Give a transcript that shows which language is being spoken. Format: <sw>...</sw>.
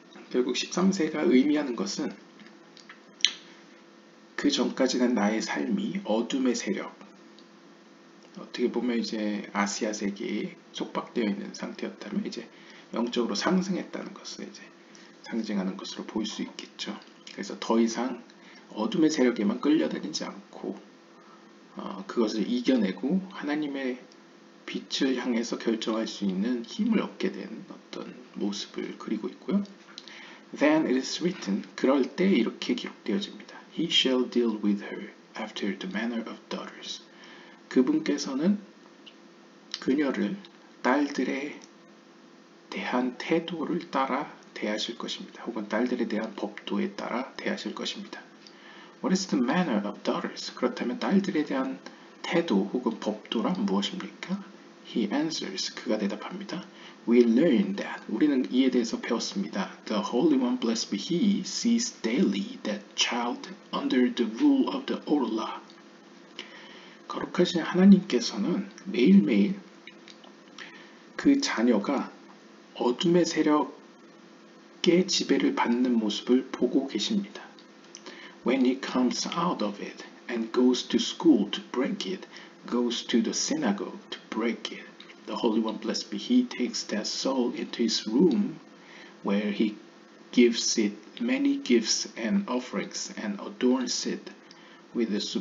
<ko>결국 13세가 의미하는 것은 그 전까지는 나의 삶이 어둠의 세력, 어떻게 보면 이제 아시아 세계에 속박되어 있는 상태였다면 이제 영적으로 상승했다는 것을 이제 상징하는 것으로 보일 수 있겠죠. 그래서 더 이상 어둠의 세력에만 끌려다니지 않고 그것을 이겨내고 하나님의 빛을 향해서 결정할 수 있는 힘을 얻게 된 어떤 모습을 그리고 있고요.</ko> <en>Then it is written,</en> <ko>그럴 때 이렇게 기록되어집니다.</ko> <en>He shall deal with her after the manner of daughters.</en> <ko>그분께서는 그녀를 딸들에 대한 태도를 따라 대하실 것입니다. 혹은 딸들에 대한 법도에 따라 대하실 것입니다.</ko> <en>What is the manner of daughters?</en> <ko>그렇다면 딸들에 대한 태도 혹은 법도란 무엇입니까?</ko> <en>He answers.</en> <ko>그가 대답합니다.</ko> <en>We learn that.</en> <ko>우리는 이에 대해서 배웠습니다.</ko> <en>The Holy One, blessed be He, sees daily that child under the rule of the Orla.</en> <ko>거룩하신 하나님께서는 매일매일 그 자녀가 어둠의 세력의 지배를 받는 모습을 보고 계십니다.</ko> <en>When he comes out of it and goes to school to break it, goes to the synagogue to break it, the Holy One, blessed be He, takes that soul into his room where he gives it many gifts and offerings and adorns it with the</en>